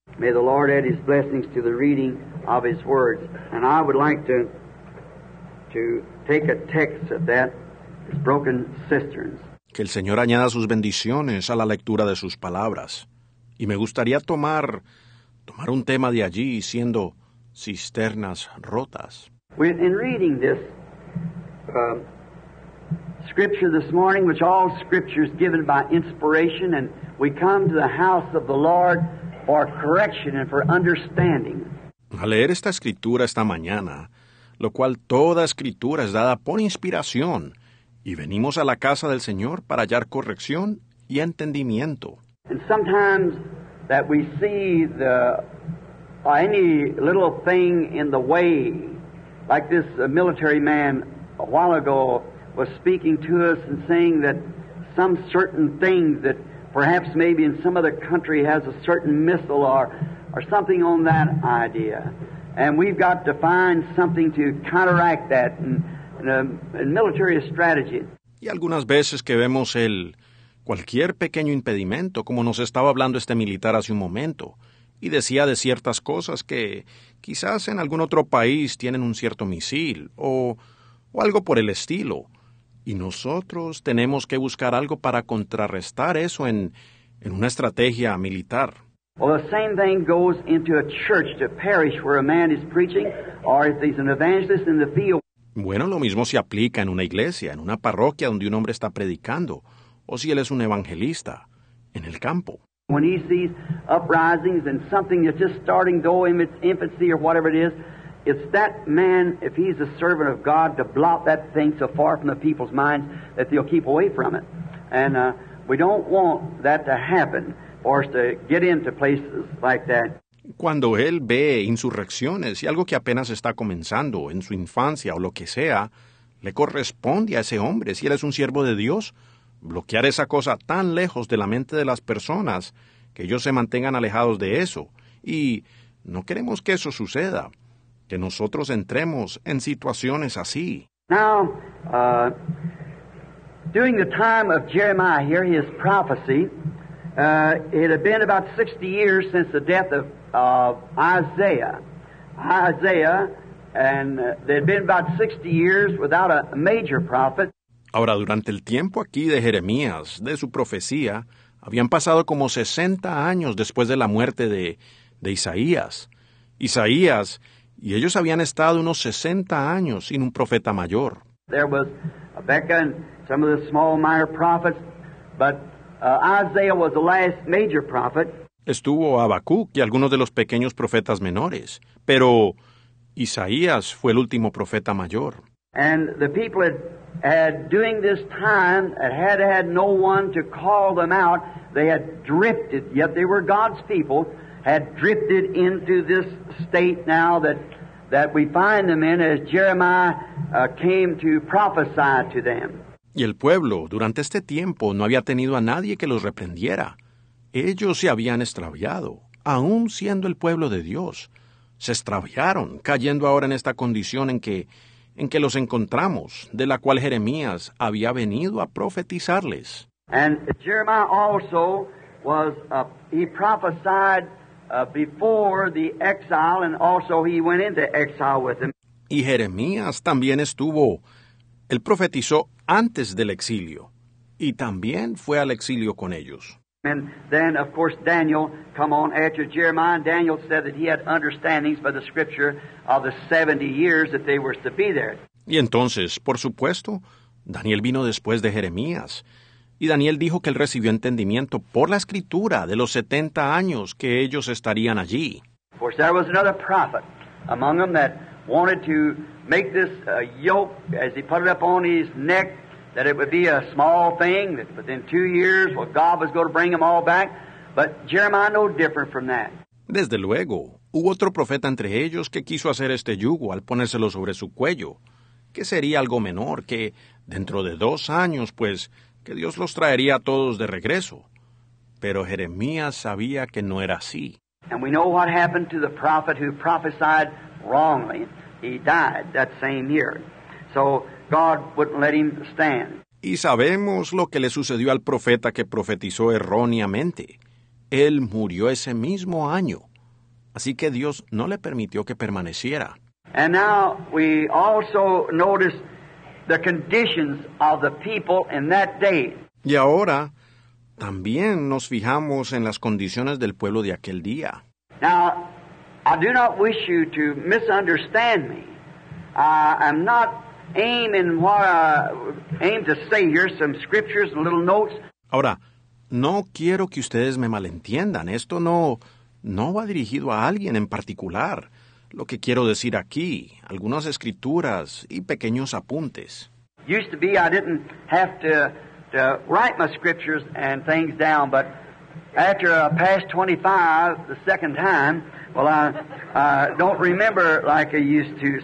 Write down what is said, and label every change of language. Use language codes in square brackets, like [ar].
[en] May the Lord add his blessings to the reading of his words. And I would like to take a text of that, broken cisterns. [es] Que el Señor añada sus bendiciones a la lectura de sus palabras. Y me gustaría tomar un tema de allí, siendo cisternas rotas. [en] When in reading this scripture this morning, which all scripture is given by inspiration, and we come to the house of the Lord for correction and for understanding. [es] Al leer esta escritura esta mañana, lo cual toda escritura es dada por inspiración, y venimos a la casa del Señor para hallar corrección y entendimiento. [en] And sometimes that we see the any little thing in the way, like this military man a while ago was speaking to us and saying that some certain thing that perhaps maybe in some other country has a certain missile or something on that idea. And we've got to find something to counteract that in military strategy. [es] Y algunas veces que vemos el cualquier pequeño impedimento, como nos estaba hablando este militar hace un momento, y decía de ciertas cosas que quizás en algún otro país tienen un cierto misil o algo por el estilo. Y nosotros tenemos que buscar algo para contrarrestar eso en una estrategia militar. [en] Well, the same thing goes into a church, to parish where a man is preaching, or if he's an evangelist in the field. [es] Bueno, lo mismo se aplica en una iglesia, en una parroquia donde un hombre está predicando, o si él es un evangelista, en el campo. [en] When he sees uprisings and something that's just starting, though in its infancy or whatever it is, it's that man, if he's a servant of God, to blot that thing so far from the people's minds that they'll keep away from it. And we don't want that to happen. Or to get into places like that. [es] Cuando él ve insurrecciones y algo que apenas está comenzando en su infancia o lo que sea, le corresponde a ese hombre, si él es un siervo de Dios, bloquear esa cosa tan lejos de la mente de las personas que ellos se mantengan alejados de eso. Y no queremos que eso suceda, que nosotros entremos en situaciones así. [en] Now, during the time of Jeremiah here, his prophecy, it had been about 60 years since the death of Isaiah. Isaiah, and there had been about 60 years without a major prophet. [es] Ahora, durante el tiempo aquí de Jeremías, de su profecía, habían pasado como 60 años después de la muerte de Isaías. Isaías, y ellos habían estado unos 60 años sin un profeta mayor. [en] There was Habakkuk and some of the small minor prophets, but Isaiah was the last major prophet. [es] Estuvo Habacuc y algunos de los pequeños profetas menores, pero Isaías fue el último profeta mayor. [en] And the people had during this time had no one to call them out. They had drifted, yet they were God's people, had drifted into this state now that we find them in as Jeremiah came to prophesy to them. [es] Y el pueblo, durante este tiempo, no había tenido a nadie que los reprendiera. Ellos se habían extraviado, aún siendo el pueblo de Dios. Se extraviaron, cayendo ahora en esta condición en que los encontramos, de la cual Jeremías había venido a profetizarles. [en] And Jeremiah also was, he prophesied before the exile, and also he went into exile with them. [es] Y Jeremías también estuvo, él profetizó antes del exilio, y también fue al exilio con ellos. [en] And then, of course, Daniel come on after Jeremiah. Daniel said that he had understandings by the scripture of the 70 years that they were to be there. [es] Y entonces, por supuesto, Daniel vino después de Jeremías, y Daniel dijo que él recibió entendimiento por la escritura de los 70 años que ellos estarían allí. [en] Of course, there was another prophet among them that wanted to make this yoke, as he put it up on his neck, that it would be a small thing, that within 2 years, well, God was going to bring them all back. But Jeremiah no different from that. [es] Desde luego, hubo otro profeta entre ellos que quiso hacer este yugo al ponérselo sobre su cuello, que sería algo menor, que dentro de 2 años, pues, que Dios los traería a todos de regreso. Pero Jeremías sabía que no era así. [en] And we know what happened to the prophet who prophesied wrongly. He died that same year. So God wouldn't let him stand. [es] Y sabemos lo que le sucedió al profeta que profetizó erróneamente. Él murió ese mismo año. Así que Dios no le permitió que permaneciera. [en] And now we also notice the conditions of the people in that day. [es] Y ahora también nos fijamos en las condiciones del pueblo de aquel día. [en] Now, I do not wish you to misunderstand me. I'm not aiming what I aim to say here, some scriptures and little notes. [es] Ahora, no quiero que ustedes me malentiendan. Esto no va dirigido a alguien en particular. Lo que quiero decir aquí, algunas escrituras y pequeños apuntes. [en] Used to be I didn't have to write my scriptures and things down, but after I passed 25 the second time, well, I don't remember like I used to.